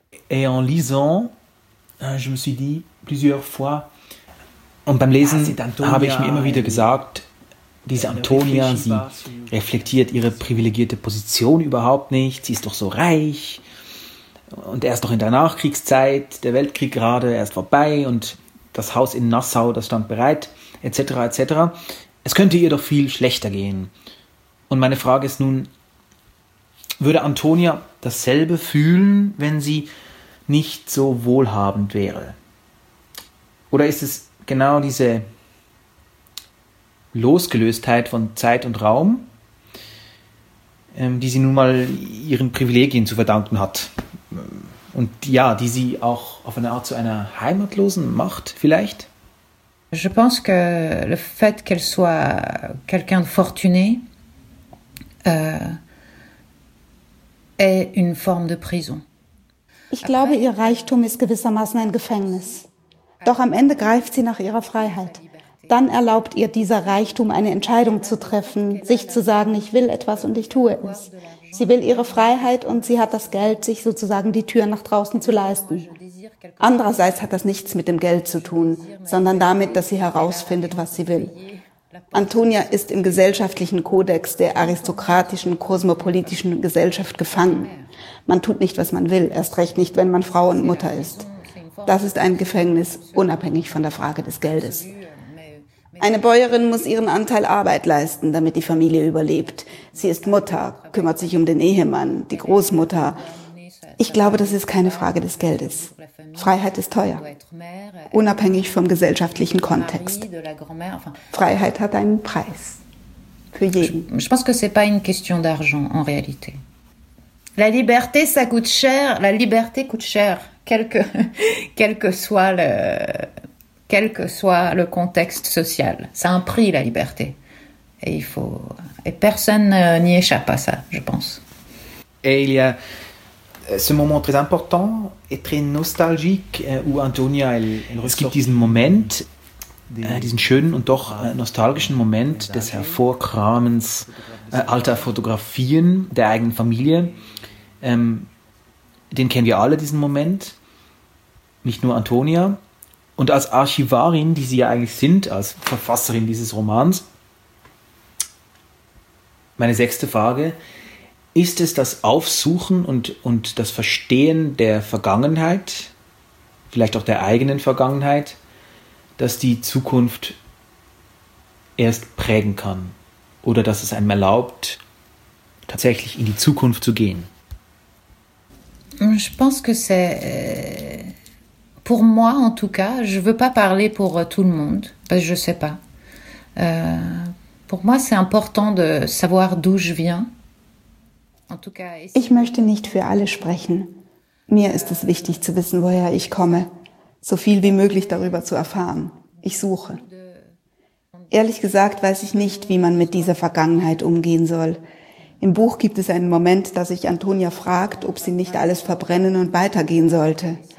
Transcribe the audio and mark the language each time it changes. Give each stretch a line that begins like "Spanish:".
French: Et en lisant, je me suis dit plusieurs fois,
German: und beim Lesen habe ich mir immer wieder gesagt, diese Antonia, sie reflektiert ihre privilegierte Position überhaupt nicht, sie ist doch so reich und erst doch in der Nachkriegszeit, der Weltkrieg gerade erst vorbei und das Haus in Nassau, das stand bereit, etc. etc. Es könnte ihr doch viel schlechter gehen. Und meine Frage ist nun, würde Antonia dasselbe fühlen, wenn sie nicht so wohlhabend wäre? Oder ist es genau diese Losgelöstheit von Zeit und Raum, die sie nun mal ihren Privilegien zu verdanken hat und ja, die sie auch auf eine Art zu einer Heimatlosen macht vielleicht?
French: Je pense que le fait qu'elle soit quelqu'un de fortuné est une forme de prison.
German: Ich glaube, ihr Reichtum ist gewissermaßen ein Gefängnis. Doch am Ende greift sie nach ihrer Freiheit. Dann erlaubt ihr dieser Reichtum, eine Entscheidung zu treffen, sich zu sagen, ich will etwas und ich tue es. Sie will ihre Freiheit und sie hat das Geld, sich sozusagen die Tür nach draußen zu leisten. Andererseits hat das nichts mit dem Geld zu tun, sondern damit, dass sie herausfindet, was sie will. Antonia ist im gesellschaftlichen Kodex der aristokratischen, kosmopolitischen Gesellschaft gefangen. Man tut nicht, was man will, erst recht nicht, wenn man Frau und Mutter ist. Das ist ein Gefängnis, unabhängig von der Frage des Geldes. Eine Bäuerin muss ihren Anteil Arbeit leisten, damit die Familie überlebt. Sie ist Mutter, kümmert sich um den Ehemann, die Großmutter. Ich glaube, das ist keine Frage des Geldes. Freiheit ist teuer, unabhängig vom gesellschaftlichen Kontext. Freiheit hat einen Preis. Für jeden. Ich denke, es ist keine Frage
French: d'argent, en réalité. La liberté, ça coûte cher. La liberté coûte cher. Quel que soit le contexte social, ça a un prix, la liberté. Et personne n'y échappe à ça, je pense. Et il y a ce moment très important et très nostalgique où Antonia, elle ressort.
German: Es gibt diesen Moment, diesen schönen und doch nostalgischen Moment des Hervorkramens alter Fotografien der eigenen Familie. Den kennen wir alle, diesen Moment. Nicht nur Antonia. Und als Archivarin, die sie ja eigentlich sind, als Verfasserin dieses Romans, meine sechste Frage, ist es das Aufsuchen und das Verstehen der Vergangenheit, vielleicht auch der eigenen Vergangenheit, das die Zukunft erst prägen kann? Oder dass es einem erlaubt, tatsächlich in die Zukunft zu gehen? Ich
French: pense que c'est... Pour moi, en tout cas, je ne veux pas parler pour tout le monde, parce que je ne sais pas. Pour moi, c'est important de savoir d'où je viens. En tout cas,
German: ich möchte nicht für alle sprechen. Mir ist es wichtig zu wissen, woher ich komme, so viel wie möglich darüber zu erfahren. Ich suche. Ehrlich gesagt, weiß ich nicht, wie man mit dieser Vergangenheit umgehen soll. Im Buch gibt es einen Moment, dass sich Antonia fragt, ob sie nicht alles verbrennen und weitergehen sollte.